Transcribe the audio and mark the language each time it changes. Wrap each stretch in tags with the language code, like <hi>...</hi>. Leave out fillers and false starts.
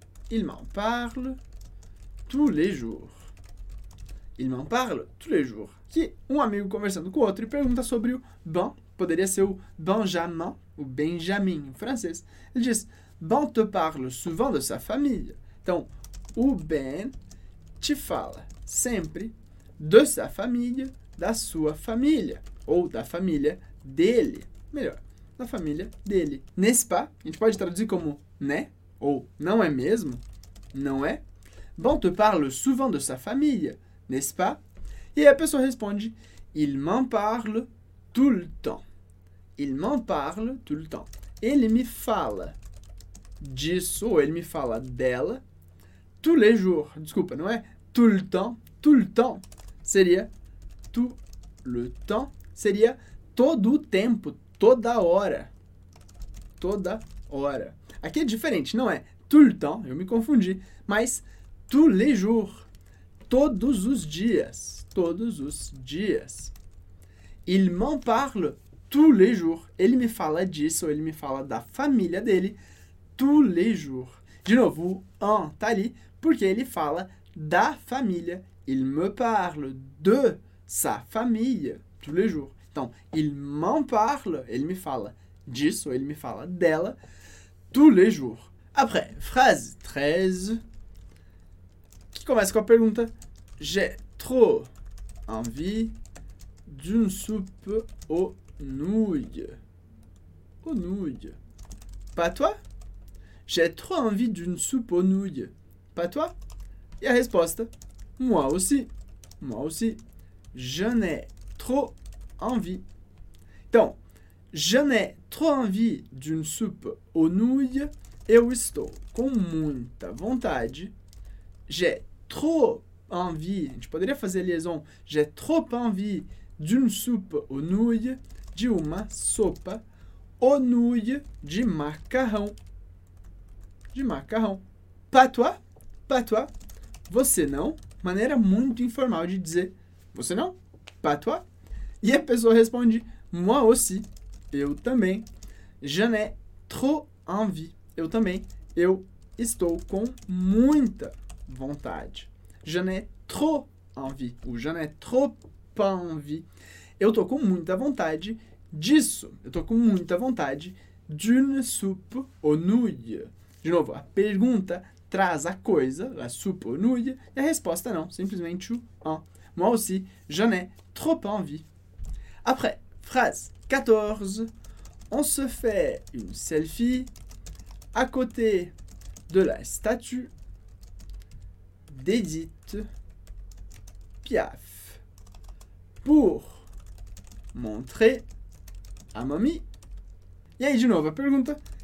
<fr>Il m'en parle tous les jours. Il m'en parle tous les jours.</fr> <pt>Que um amigo conversando com o outro e pergunta sobre o Ben. Poderia ser o Benjamin, o Benjamin em francês. Ele diz,</pt> <fr>Ben te parle souvent de sa famille.</fr> <pt>Então, o Ben te fala sempre</pt> <fr>de sa famille,</fr> <pt>da sua família. Ou da família dele. Melhor, da família dele.</pt> <fr>N'est-ce pas?</fr> <pt>A gente pode traduzir como né? Ou não é mesmo? Não é?</pt> <fr>Ben te parle souvent de sa famille, n'est-ce pas?</fr> <pt>E a pessoa responde,</pt> <fr>Il m'en parle tout le temps. Il m'en parle tout le temps.</fr> <pt>Ele me fala disso, ou ele me fala dela,</pt> <fr>tous les jours.</fr> <pt>Desculpa, não é?</pt> <fr>Tout le temps. Tout le temps</fr> <pt>seria</pt> <fr>tout le temps.</fr> <pt>Seria todo o tempo, toda hora. Toda hora. Aqui é diferente, não é</pt> <fr>tout le temps,</fr> <pt>eu me confundi, mas</pt> <fr>tous les jours.</fr> <pt>Todos os dias. Todos os dias.</pt> <fr>Il m'en parle tous les jours.</fr> <pt>Ele me fala disso, ou ele me fala da família dele,</pt> <fr>tous les jours.</fr> <pt>De novo, o en tá ali, porque ele fala da família.</pt> <fr>Il me parle de sa famille tous les jours.</fr> <pt>Então,</pt> <fr>il m'en parle,</fr> <pt>ele me fala disso, ou ele me fala dela,</pt> <fr>tous les jours. Après, phrase 13, qui commence</fr> <pt>com a pergunta,</pt> <fr>j'ai trop envie d'une soupe aux nouilles. Aux nouilles. Pas toi? J'ai trop envie d'une soupe aux nouilles. Pas toi? Et la réponse? Moi aussi. Moi aussi. J'en ai trop envie. Donc, j'en ai trop envie d'une soupe aux nouilles.</fr> <pt>Et eu estou com muita vontade.</pt> <fr>J'ai trop envie. Je pourrais faire la liaison. J'ai trop envie d'une soupe aux nouilles,</fr> <pt>de uma sopa</pt> <fr>aux nouilles</fr> <pt>de macarrão. De macarrão.</pt> <fr>Pas toi? Pas toi?</fr> <pt>Você não? Maneira muito informal de dizer você não?</pt> <fr>Pas toi?</fr> <pt>E a pessoa responde</pt> <fr>moi aussi.</fr> <pt>Eu também.</pt> <fr>Je n'ai trop envie.</fr> <pt>Eu também. Eu estou com muita vontade.</pt> <fr>Je n'ai trop envie. Ou je n'ai trop envie.</fr> <pt>Eu tô com muita vontade disso. Eu tô com muita vontade</pt> <fr>d'une soupe aux nouilles.</fr> <pt>De novo, a pergunta traz a coisa,</pt> <fr>la soupe aux nouilles,</fr> <pt>e a resposta não, simplesmente o en.</pt> <fr>Moi aussi, j'en ai trop envie. Après, phrase 14. On se fait une selfie à côté de la statue d'Edith Piaf pour montrer à mamie. Et hey, Juno, pas plus longtemps.</fr>